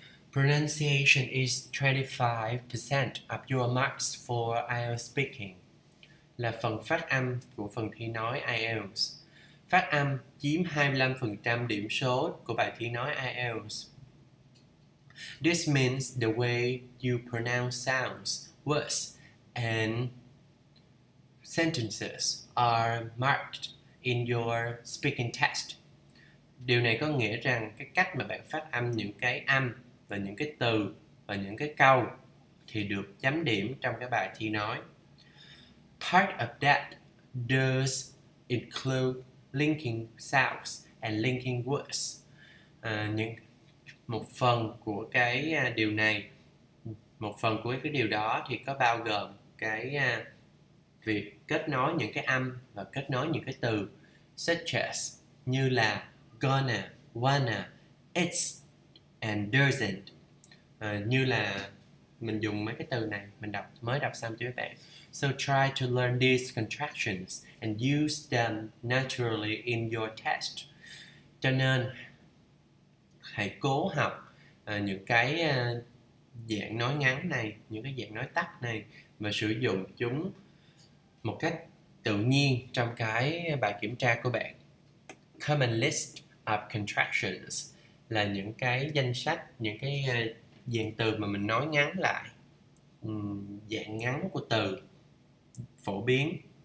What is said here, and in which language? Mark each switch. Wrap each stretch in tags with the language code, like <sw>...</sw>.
<en>Pronunciation is 25% of your marks for IELTS speaking.</en> <vi>Là phần phát âm của phần thi nói IELTS. Phát âm chiếm 25% điểm số của bài thi nói IELTS.</vi> <en>This means the way you pronounce sounds, words, and sentences are marked in your speaking test.</en> <vi>Điều này có nghĩa rằng cái cách mà bạn phát âm những cái âm và những cái từ và những cái câu thì được chấm điểm trong cái bài thi nói.</vi> <en>Part of that does include linking sounds and linking words.</en> <vi>Một phần của cái điều này, một phần của cái điều đó thì có bao gồm cái việc kết nối những cái âm và kết nối những cái từ</vi> <en>such as</en> <vi>như là gonna, wanna, it's and doesn't. Như là mình dùng mấy cái từ này, mình đọc mới đọc xong cho các bạn.</vi> <en>So try to learn these contractions and use them naturally in your test.</en> <vi>Cho nên hãy cố học những cái dạng nói ngắn này, những cái dạng nói tắt này và sử dụng chúng một cách tự nhiên trong cái bài kiểm tra của bạn.</vi> <en>Common list of contractions</en> <vi>là những cái danh sách, những cái dạng từ mà mình nói ngắn lại, dạng ngắn của từ phổ biến.</vi>